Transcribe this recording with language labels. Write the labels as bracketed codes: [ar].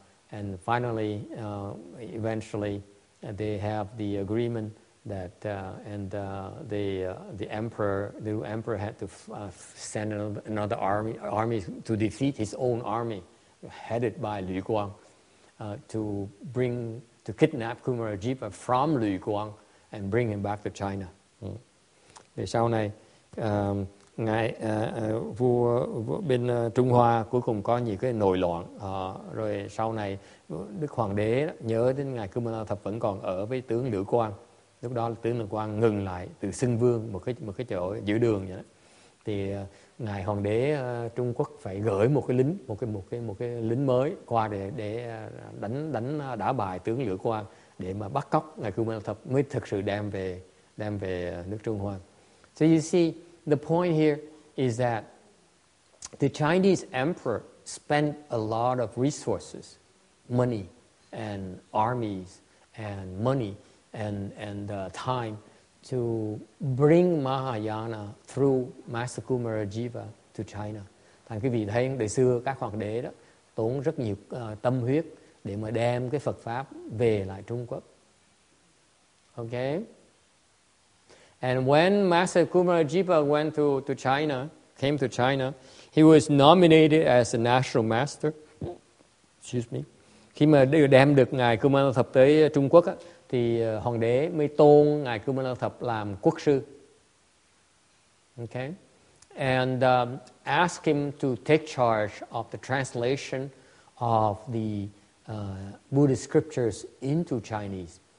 [en] and finally, eventually, they have the agreement that the new emperor had to send another army to defeat his own army, headed by Lü Guang, to kidnap Kumarajiva from Lü Guang and bring him back to China. [vi] Để sau này ngài vua bên Trung Hoa cuối cùng có nhiều cái nội loạn, rồi sau này Đức Hoàng đế nhớ đến ngài Kumara Thập vẫn còn ở với tướng Lữ Quang. Lúc đó tướng Lữ Quang ngừng lại từ xưng vương một cái chỗ giữa đường vậy đó. thì ngài hoàng đế Trung Quốc phải gửi một cái lính mới qua để đánh đả bại tướng Lữ Quang để mà bắt cóc ngài Kumara Thập mới thực sự đem về nước Trung Hoa. [en] So you see, the point here is that the Chinese emperor spent a lot of resources, money and armies and money and time to bring Mahayana through Master Kumara Jiva to China. [vi] Thành quý vị thấy đời xưa các hoàng đế đó tốn rất nhiều tâm huyết để mà đem cái Phật pháp về lại Trung Quốc. [en] Okay. And when Master Kumara Jiva went to China, he was nominated as a national master. Excuse me. [vi] Khi mà đem được ngài Kumara Thập tới Trung Quốc á, thì hoàng đế mới tôn ngài Kumara Thập làm quốc sư. [en] Okay. And ask him to take charge of the translation of the Buddhist scriptures into Chinese.